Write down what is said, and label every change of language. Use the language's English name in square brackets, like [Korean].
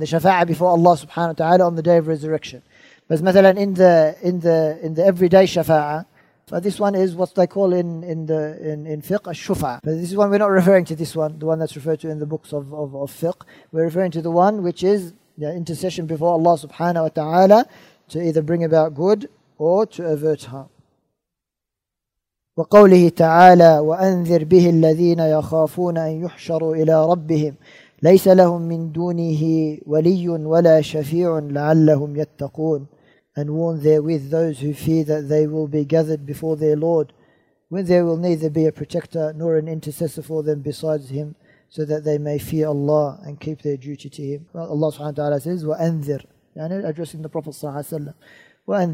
[English] The shafa'ah before Allah subhanahu wa ta'ala on the day of resurrection. But [Arabic] مثلاً, [English] in the everyday shafa'ah, so this one is what they call in fiqh, al-shufa'ah. But this is one, we're not referring to this one, the one that's referred to in the books of fiqh. We're referring to the one which is the intercession before Allah subhanahu wa ta'ala to either bring about good or to avert harm. [Arabic] وقوله تعالى وأنذر به الذين يخافون أن يحشروا إلى ربهم ليس لهم من دونه ولي ولا شفيع لعلهم يتقون. [English] And warn therewith those who fear that they will be gathered before their Lord, when there will neither be a protector nor an intercessor for them besides him, so that they may fear Allah and keep their duty to him. Well, Allah subhanahu wa ta'ala says, [Arabic] وَأَنذِرْ, يعني [English] addressing the Prophet sallallahu alayhi wa sallam.